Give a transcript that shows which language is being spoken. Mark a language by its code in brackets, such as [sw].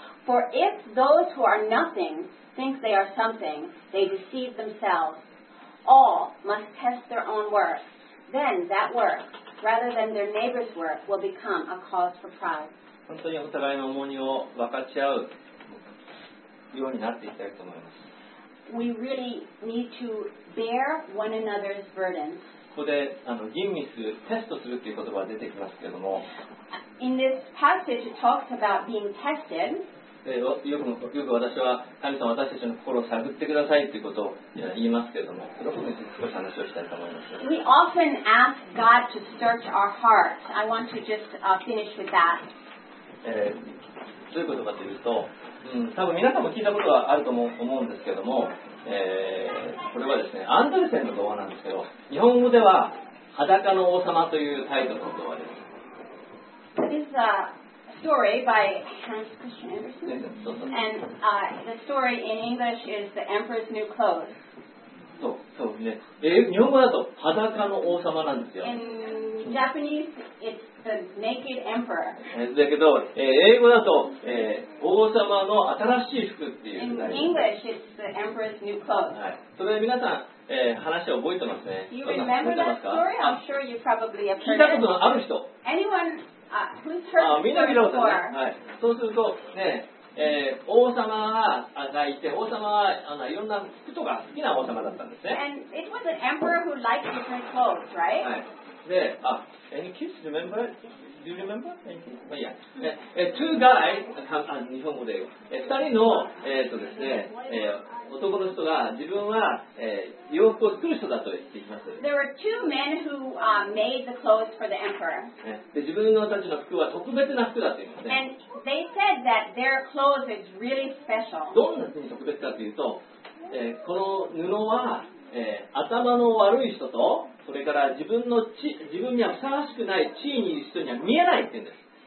[en] For if those who are nothing think they are something, they deceive themselves. All must test their own work. Then that work... rather than their neighbor's work, will become a cause for pride. [ja] 本当にお互いの重荷を分かち合うようになっていきたいと思います。 [en] We really need to bear one another's burdens. [ja] ここで吟味する、テストするという言葉が出てきますけれども。 [en] In this passage, it talks about being tested. [ja] よく私は、神様、私たちの心を探ってくださいということを言いますけれども、それを少し話をしたいと思います。 [en] We often ask God to search our hearts. I want to just finish with that. [ja] どういうことかというと、多分皆さんも聞いたことはあると思うんですけれども、これはですね、アンデルセンの童話なんですけど、日本語では、裸の王様というタイトルの童話です。 [en] Story by Hans Christian Andersen, and the story in English is "The Emperor's New Clothes." [ja] そうね。英語だと裸の王様なんですよ。 [en] In Japanese, it's the naked emperor. [ja] だけど、英語だと、王様の新しい服っていう。 [en] In English, it's the Emperor's New Clothes. [ja] はい。それで皆さん。話を覚えてますね。 [en] You remember that story? I'm sure you probably have heard it. [ja] 聞いたことのある人。 [en] Anyone who's heard before? [ja] みんな聞いたことある。はい。そうするとね、王様がいて、王様はいろんな服とか好きな王様だったんですね。 [en] And it was an emperor who liked different clothes, right? [ja] はい。で、 [en] any kids remember? Do you remember? [ja] まあ、いや、 [en] two guys、 [ja] 日本語で言う。二人の、ですね、男の人が自分は、洋服を作る人だと言っています。 [en] There were two men who, made the clothes for the emperor. [ja] で自分のたちの服は特別な服だと言いますね。 [en] And they said that their clothes is really special. [ja] どんなふうに特別かというと、この布は、頭の悪い人とそれから自分の自分にはふさわしくない地位にいる人には見えないって言うんです。